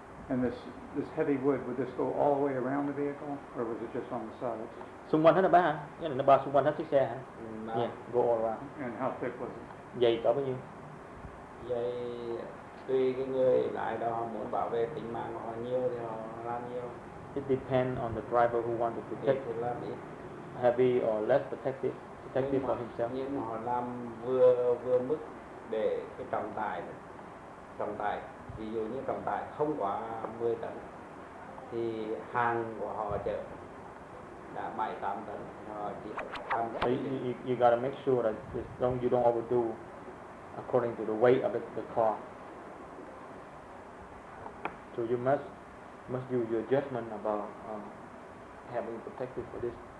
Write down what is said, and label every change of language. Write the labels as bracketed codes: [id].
[en] And this heavy wood, would this go all the way around the vehicle, or was it just on the sides? [vi] Xung quanh hết là ba, nghĩa là nó bao xung quanh hết chiếc xe hả? [en] Yeah, go all around. And how thick was it? [vi] Dày có bao nhiêu? Dày tùy cái người lại đó muốn bảo vệ tính mạng họ nhiều thì họ làm nhiều. [en] It depends on the driver who wants to protect. Heavy or less protective for himself. [vi] Nhưng mà họ làm vừa mức để cái trọng tải. Ví dụ như trọng tải không quá 10 tấn thì hàng của họ chở đã 7-8 tấn. [en] So you gotta make sure that you don't overdo according to the weight of the car. So you must use your judgment about having protective for this.